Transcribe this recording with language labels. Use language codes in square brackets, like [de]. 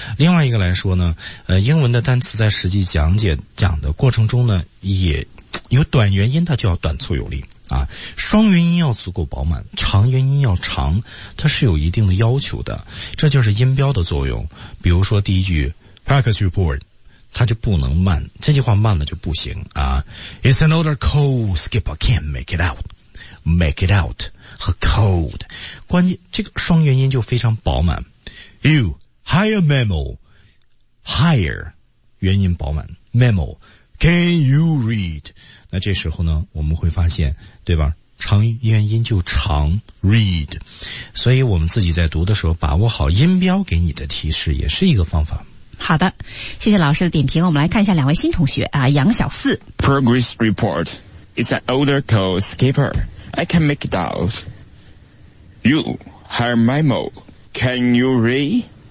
[zh] 另外一个来说呢，英文的单词在实际讲的过程中呢，也有短元音它就要短促有力。啊，双元音要足够饱满，长元音要长，它是有一定的要求的。这就是音标的作用。比如说第一句 [en] Practice report, [zh] 它就不能慢，这句话慢了就不行啊。 [en] It's another code skipper, can't make it out. Make it out [zh] 和 code, 关键这个双元音就非常饱满。 [en] You, higher memo, higher, [zh] 元音饱满 [en] ,memo, can you read? [zh] 那这时候呢，我们会发现，对吧，长元音就长 ,read。所以我们自己在读的时候，把握好音标给你的提示也是一个方法。好的，谢谢老师的点评。我们来看一下两位新同学啊，杨小四。 [en] Progress report. It's an older code skipper. I can make it out. You, Hermimo, can you read?